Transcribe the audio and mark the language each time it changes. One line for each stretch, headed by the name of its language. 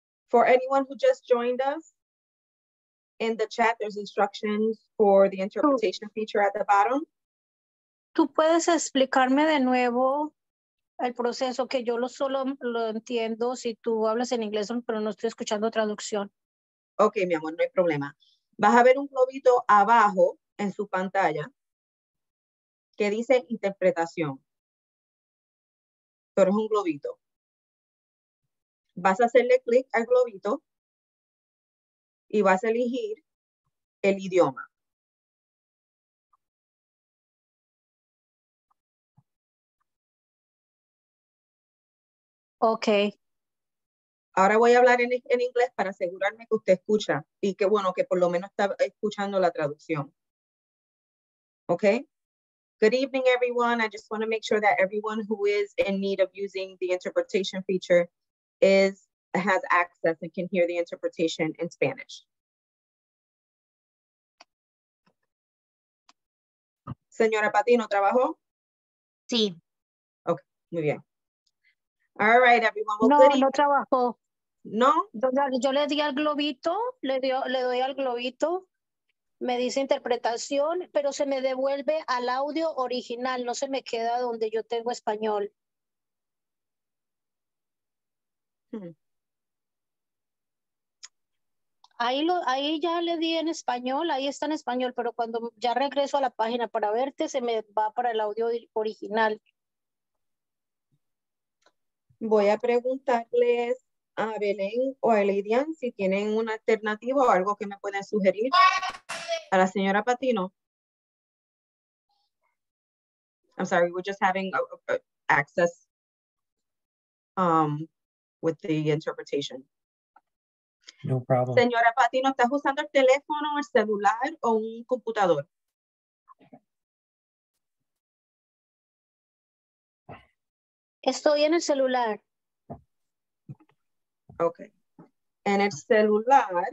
English: For anyone who just joined us, in the chat, there's instructions for the interpretation feature at the bottom.
Spanish: ¿Tú puedes explicarme de nuevo el proceso? Que yo solo lo entiendo si tú hablas en inglés, pero no estoy escuchando traducción. Ok, mi amor, no hay problema. Vas a ver un globito abajo en su pantalla que dice interpretación. Pero es un globito. Vas a hacerle clic al globito y vas a elegir el idioma. Ok. Ahora voy a hablar en inglés para asegurarme que usted escucha y que, bueno, que por lo menos está escuchando la traducción.
English: Ok. Good evening, everyone. I just want to make sure that everyone who is in need of using the interpretation feature has access and can hear the interpretation in Spanish.
Spanish: Señora Patino, ¿trabajó? Sí. Ok, muy bien.
English: All right, everyone.
Spanish: Well, no, good evening. No trabajó. No. Yo le di al globito, le doy al globito, me dice interpretación, pero se me devuelve al audio original, no se me queda donde yo tengo español. Hmm. Ahí ya le di en español, ahí está en español, pero cuando ya regreso a la página para verte, se me va para el audio original. Voy a preguntarles a Belén o a Lidian si tienen una alternativa o algo que me pueden sugerir. A la señora Patino.
English: I'm sorry, we're just having access with the interpretation. No problem.
Spanish: Señora Patino, ¿estás usando el teléfono, el celular o un computador? Estoy en el celular. Ok. En el celular.